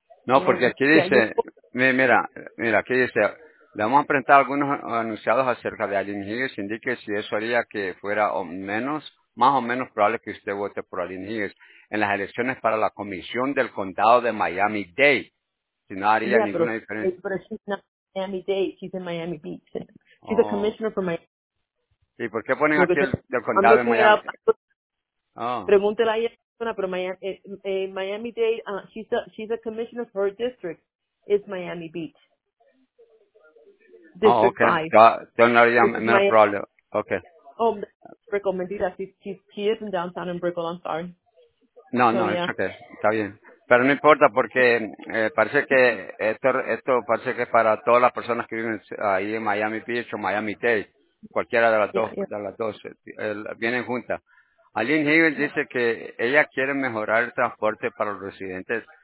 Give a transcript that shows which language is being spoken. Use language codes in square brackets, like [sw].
[es] No, porque aquí dice, mira, aquí dice, le vamos a presentar algunos anunciados acerca de Aileen Higgins, indique si eso haría que fuera más o menos probable que usted vote por Aileen Higgins en las elecciones para la comisión del condado de Miami-Dade. Si no haría ninguna diferencia. [en] Pero she's not Miami-Dade, she's in Miami Beach. She's a commissioner for Miami. [es] ¿Y por qué ponen aquí el condado de Miami? Pregúntela a ella. [en] Pero Miami-Dade, she's a commissioner for her district, is Miami Beach. District okay. 5. Don't worry, I'm not a problem. Okay. [es] Oh, Brickell, mentira. [en] She is in downtown in Brickell, I'm sorry. [es] Okay. Está bien. Pero no importa porque parece que esto parece que es para todas las personas que viven ahí en Miami Beach o Miami-Dade, cualquiera de las dos, vienen juntas. Aileen Higgins dice que ella quiere mejorar el transporte para los residentes.